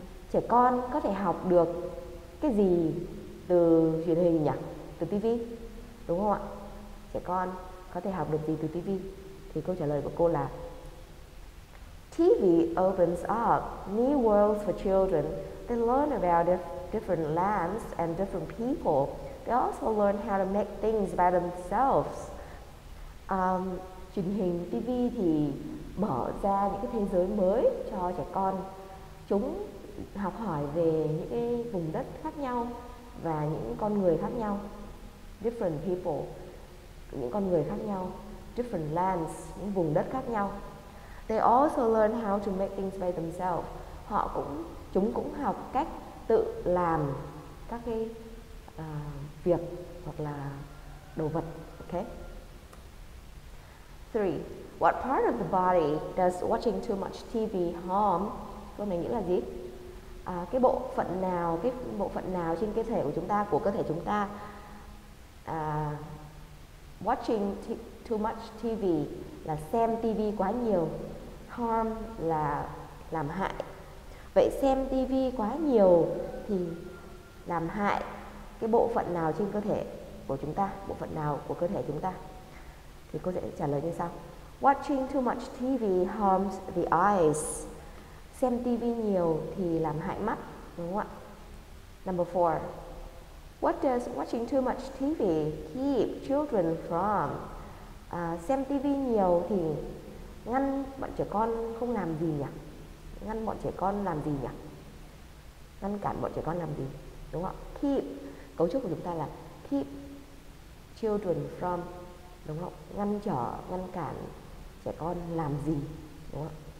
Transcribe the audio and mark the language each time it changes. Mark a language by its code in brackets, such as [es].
[vi] Trẻ con có thể học được cái gì từ truyền hình nhỉ? Từ TV, đúng không ạ? Trẻ con có thể học được gì từ TV? Thì câu trả lời của cô là [en] TV opens up new worlds for children. They learn about different lands and different people. They also learn how to make things by themselves. [vi] Truyền hình TV thì mở ra những cái thế giới mới cho trẻ con. Chúng học hỏi về những cái vùng đất khác nhau và những con người khác nhau. [en] Different people, [vi] những con người khác nhau. [en] Different lands, [vi] những vùng đất khác nhau. [en] They also learn how to make things by themselves. [vi] Chúng cũng học cách tự làm các cái việc hoặc là đồ vật. Okay. [en] 3. What part of the body does watching too much TV harm? [vi] Câu này nghĩa là gì? Cái bộ phận nào trên cơ thể của chúng ta, của cơ thể chúng ta [en] watching too much TV [vi] là xem TV quá nhiều. Harm là làm hại. Vậy xem TV quá nhiều thì làm hại cái bộ phận nào trên cơ thể của chúng ta, bộ phận nào của cơ thể chúng ta? Thì cô sẽ trả lời như sau. [en] Watching too much TV harms the eyes. [vi] Xem TV nhiều thì làm hại mắt, đúng không ạ? [en] Number 4. What does watching too much TV keep children from? [vi] Xem TV nhiều thì ngăn bọn trẻ con không làm gì nhỉ? Ngăn bọn trẻ con làm gì nhỉ? Ngăn cản bọn trẻ con làm gì? Đúng không ạ? Keep, cấu trúc của chúng ta là [en] keep children from, [vi] đúng không? Ngăn trở, ngăn cản trẻ con làm gì? Đúng không?